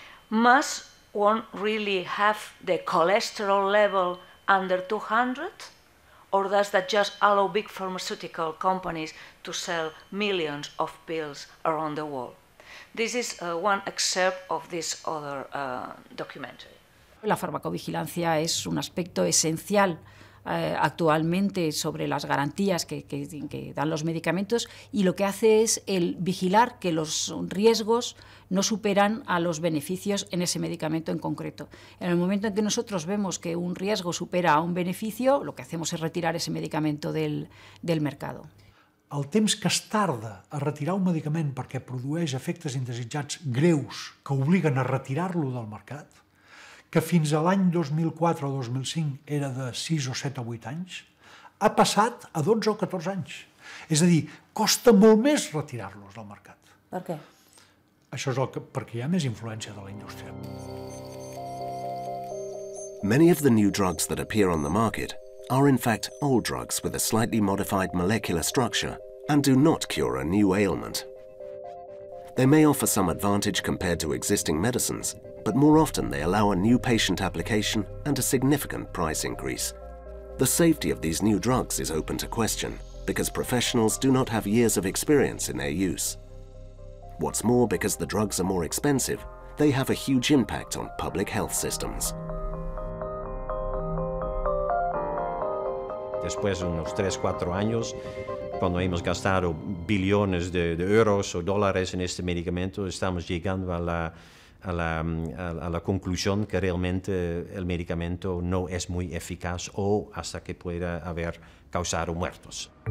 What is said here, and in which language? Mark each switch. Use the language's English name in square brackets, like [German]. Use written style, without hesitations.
[English] Must one really have the cholesterol level under 200? Or does that just allow big pharmaceutical companies to sell millions of pills around the world? This is one excerpt of this other documentary. [Spanish] La farmacovigilancia es un aspecto esencial actualmente sobre las garantías que dan los medicamentos, y lo que hace es el vigilar que los riesgos no superan a los beneficios en ese medicamento en concreto. En el momento en que nosotros vemos que un riesgo supera a un beneficio, lo que hacemos es retirar ese medicamento del mercado. [Catalan] El temps que es tarda a retirar un medicament perquè produeix efectes indesitjats greus que obliguen a retirar-lo del mercat, que fins a l'any 2004 o 2005 era de 6 o 7 o 8 anys, ha passat a 12 o 14 anys. És a dir, costa molt més retirar-los del mercat. Per què? Això és perquè hi ha més influència de la indústria. [English] Many of the new drugs that appear on the market are in fact old drugs with a slightly modified molecular structure and do not cure a new ailment. They may offer some advantage compared to existing medicines, but more often they allow a new patient application and a significant price increase. The safety of these new drugs is open to question because professionals do not have years of experience in their use. What's more, because the drugs are more expensive, they have a huge impact on public health systems. [Spanish] Después de unos 3-4 años, cuando hemos gastado billones de euros o dólares en este medicamento, estamos llegando a la conclusión que realmente el medicamento no es muy eficaz o hasta que pueda haber causado muertos.